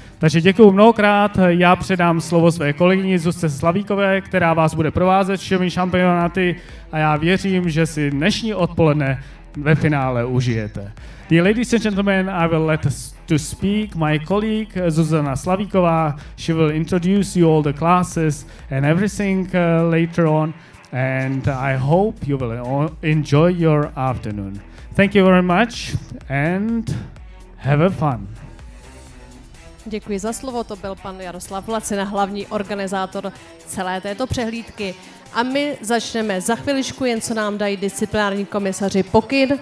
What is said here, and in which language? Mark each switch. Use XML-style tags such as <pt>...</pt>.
<cs>Takže děkuju mnohokrát, já předám slovo své kolegyni Zuzce Slavíkové, která vás bude provázet všemi šampionáty a já věřím, že si dnešní odpoledne ve finále užijete.</cs> <en>The ladies and gentlemen, I will let to speak my colleague Zuzana Slavíková. She will introduce you all the classes and everything later on. And I hope you will enjoy your afternoon. Thank you very much and have a fun.</en> <cs>Děkuji za slovo, to byl pan Jaroslav Lacina, hlavní organizátor celé této přehlídky. A my začneme za chviličku, jen co nám dají disciplinární komisaři pokyn.</cs>